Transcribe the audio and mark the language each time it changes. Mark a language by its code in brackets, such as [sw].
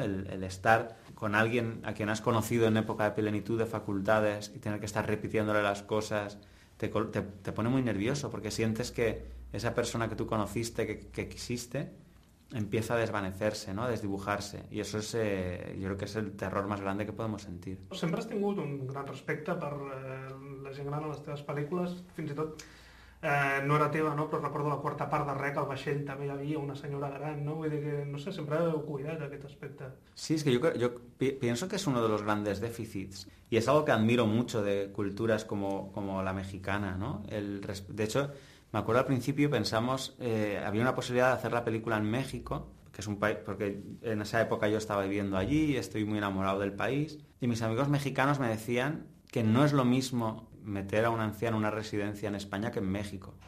[es] El estar con alguien a quien has conocido en época de plenitud de facultades y tener que estar repitiéndole las cosas, te pone muy nervioso porque sientes que esa persona que tú conociste, que quisiste, empieza a desvanecerse, ¿no? A desdibujarse. Y eso es, yo creo que es el terror más grande que podemos sentir. [ca] Sempre has tingut un gran respecte per la gent gran a les teves pel·lícules, fins i tot no era teva, no? Però recordo la quarta part de Rec, al vaixell també hi havia una senyora gran, no? Vull dir que, no sé, sempre heu cuidat aquest aspecte. Sí, és que jo penso que és un dels grans dèficits i és algo [es] que admiro mucho [ca] de cultures com la mexicana, no? [es] De hecho, me acuerdo al principi pensamos, [ca] havia una possibilitat de fer la pel·lícula [es] en México, que es un país, porque en esa época yo estaba viviendo allí y estoy muy enamorado del país, y mis amigos mexicanos me decían que no es lo mismo meter a un anciano en una residencia en España que en México.